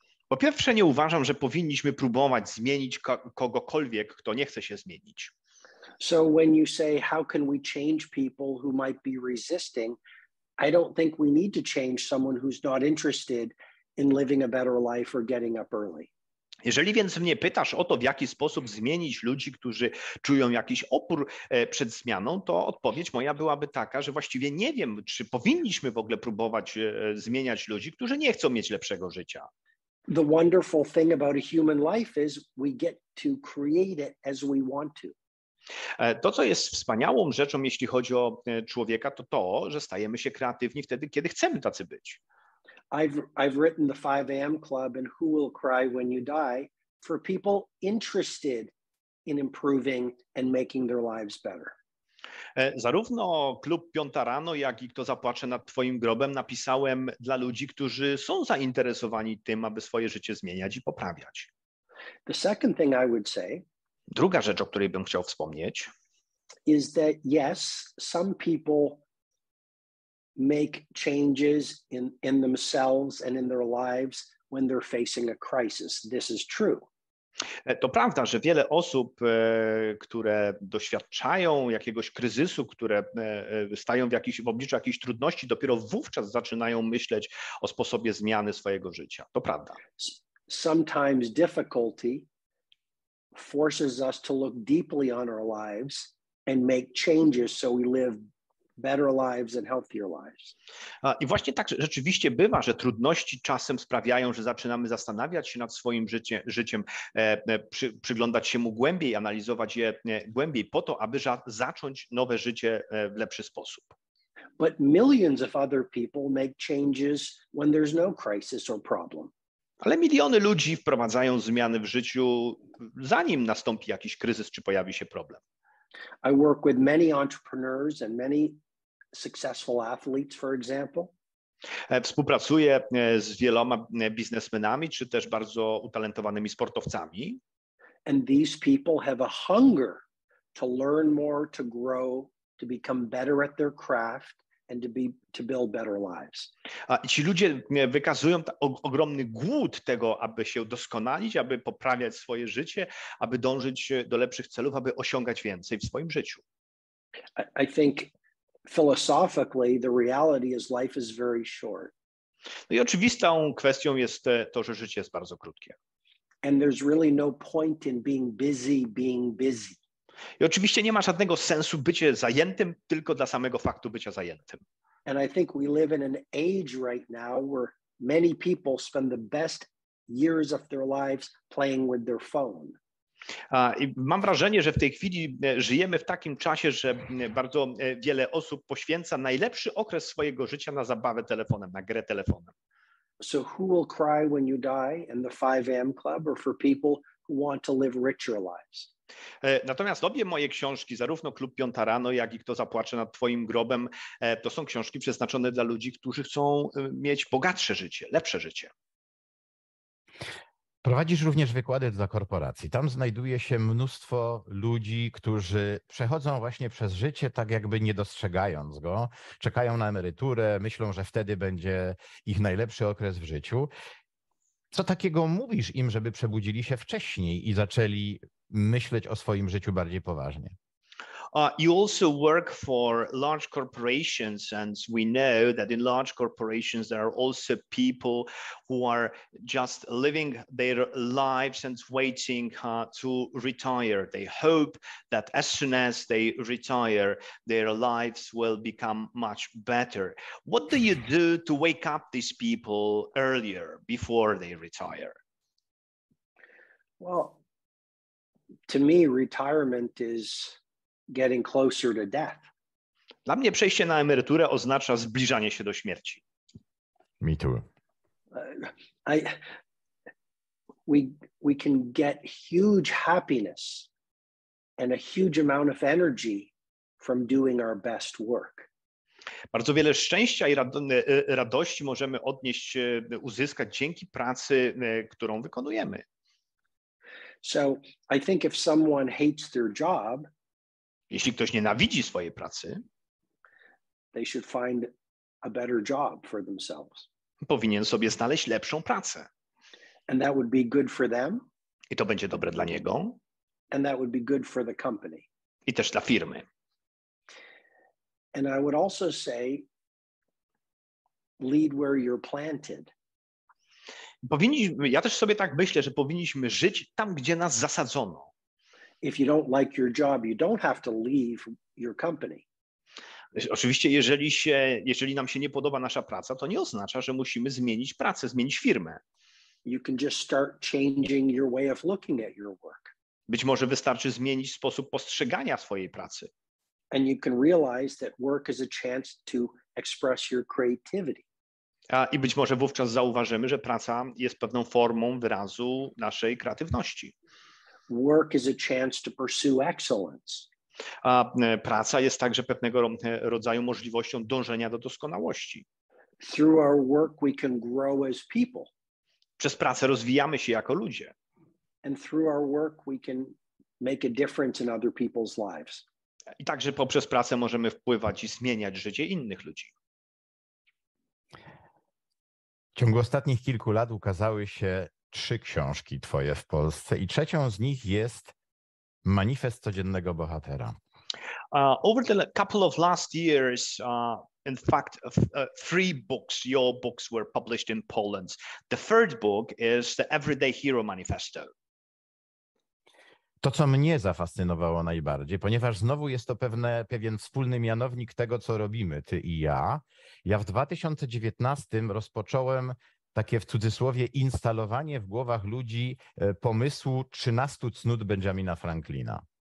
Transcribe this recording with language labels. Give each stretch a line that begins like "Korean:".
Polish: Po pierwsze, nie uważam, że powinniśmy próbować zmienić kogokolwiek, kto nie chce się zmienić.
English: So when you say, how can we change people who might be resisting, I don't think we need to change someone who's not interested in living a better life or getting up early.
Polish: Jeżeli więc mnie pytasz o to, w jaki sposób zmienić ludzi, którzy czują jakiś opór przed zmianą, to odpowiedź moja byłaby taka, że właściwie nie wiem, czy powinniśmy w ogóle próbować zmieniać ludzi, którzy nie chcą mieć lepszego życia.
English: The wonderful thing about a human life is we get to create it as we want to.
Polish: To, co jest wspaniałą rzeczą, jeśli chodzi o człowieka, to to, że stajemy się kreatywni wtedy, kiedy chcemy tacy być.
English: I've written the 5 AM Club and Who Will Cry When You Die for people interested in improving and making their lives better.
Polish: Zarówno Klub Piąta Rano, jak i Kto Zapłacze Nad Twoim Grobem napisałem dla ludzi, którzy są zainteresowani tym, aby swoje życie zmieniać i poprawiać.
English: The second thing I would say,
Polish: druga rzecz, o której bym chciał wspomnieć,
English: is that yes, some people make changes in themselves and in their lives when they're facing a crisis. This is true.
Polish: To prawda, że wiele osób, które doświadczają jakiegoś kryzysu, które stają w obliczu jakiejś trudności, dopiero wówczas zaczynają myśleć o sposobie zmiany swojego życia. To prawda.
English: Sometimes difficulty forces us to look deeply on our lives and make changes so we live better lives and healthier lives.
Polish: I właśnie tak rzeczywiście bywa, że trudności czasem sprawiają, że zaczynamy zastanawiać się nad swoim życiem, przyglądać się mu głębiej, analizować je głębiej po to, aby zacząć nowe życie w lepszy sposób.
English: But millions of other people make changes when there's no crisis or problem.
Polish: Ale miliony ludzi wprowadzają zmiany w życiu, zanim nastąpi jakiś kryzys czy pojawi się problem.
English: I work with many entrepreneurs and many successful athletes, for example.
Polish: Współpracuję z wieloma biznesmenami czy też bardzo utalentowanymi sportowcami.
English: And these people have a hunger to learn more, to grow, to become better at their craft. And to build better lives.
Polish: A ci ludzie wykazują ogromny głód tego, aby się doskonalić, aby poprawiać swoje życie, aby dążyć do lepszych celów, aby osiągać więcej w swoim życiu.
English: I think philosophically the reality is life is very short.
Polish: No i oczywistą kwestią jest to, że życie jest bardzo krótkie.
English: And there's really no point in being busy, being busy.
Polish: I oczywiście nie ma żadnego sensu bycie zajętym tylko dla samego faktu bycia zajętym.
English: And I think we live in an age right now where many people spend the best years of their lives playing with their phone.
Polish: I mam wrażenie, że w tej chwili żyjemy w takim czasie, że bardzo wiele osób poświęca najlepszy okres swojego życia na zabawę telefonem, na grę telefonem.
English: So who will cry when you die in the 5 AM club or for people who want to live richer lives?
Polish: Natomiast obie moje książki, zarówno Klub Piąta Rano, jak i Kto zapłacze nad Twoim grobem, to są książki przeznaczone dla ludzi, którzy chcą mieć bogatsze życie, lepsze życie. Prowadzisz również wykłady dla korporacji. Tam znajduje się mnóstwo ludzi, którzy przechodzą właśnie przez życie tak jakby nie dostrzegając go, czekają na emeryturę, myślą, że wtedy będzie ich najlepszy okres w życiu. Co takiego mówisz im, żeby przebudzili się wcześniej i zaczęli myśleć o swoim życiu bardziej poważnie?
English: You also work for large corporations, and we know that in large corporations there are also people who are just living their lives and waiting to retire. They hope that as soon as they retire, their lives will become much better. What do you do to wake up these people earlier, before they retire? Well, to me, retirement is getting closer to death.
Polish: Dla mnie przejście na emeryturę oznacza zbliżanie się do śmierci.
English: Me too. We can get huge happiness and a huge amount of energy from doing our best work.
Polish: Bardzo wiele szczęścia i radości możemy odnieść, uzyskać dzięki pracy, którą wykonujemy.
English: So I think if someone hates their job,
Polish: jeśli ktoś nienawidzi swojej pracy,
English: they should find a better job for themselves.
Polish: Powinien sobie znaleźć lepszą pracę.
English: And that would be good for them.
Polish: I to będzie dobre dla niego.
English: And that would be good for the company.
Polish: I też dla firmy.
English: And I would also say, lead where you're planted.
Polish: Ja też sobie tak myślę, że powinniśmy żyć tam, gdzie nas zasadzono.
English: If you don't like your job, you don't have to leave your company.
Polish: Oczywiście, jeżeli nam się nie podoba nasza praca, to nie oznacza, że musimy zmienić pracę, zmienić firmę.
English: You can just start changing your way of looking at your work.
Polish: Być może wystarczy zmienić sposób postrzegania swojej pracy.
English: And you can realize that work is a chance to express your creativity.
Polish: I być może wówczas zauważymy, że praca jest pewną formą wyrazu naszej kreatywności.
English: Work is a chance to pursue excellence.
Polish: A praca jest także pewnego rodzaju możliwością dążenia do doskonałości.
English: Through our work we can grow as people.
Polish: Przez pracę rozwijamy się jako ludzie.
English: And through our work we can make a difference in other people's lives.
Polish: I także poprzez pracę możemy wpływać i zmieniać życie innych ludzi. W ciągu ostatnich kilku lat ukazały się 3 książki twoje w Polsce i 3rzą z nich jest Manifest codziennego bohatera.
English: Over the couple of last years, in fact, 3 books, your books were published in Poland. The third book is The Everyday Hero Manifesto.
Polish: To, co mnie zafascynowało najbardziej, ponieważ znowu jest to pewien wspólny mianownik tego, co robimy, ty i ja. Ja w 2019 rozpocząłem takie w cudzysłowie instalowanie w głowach ludzi pomysłu 13 cnót Benjamina Franklina.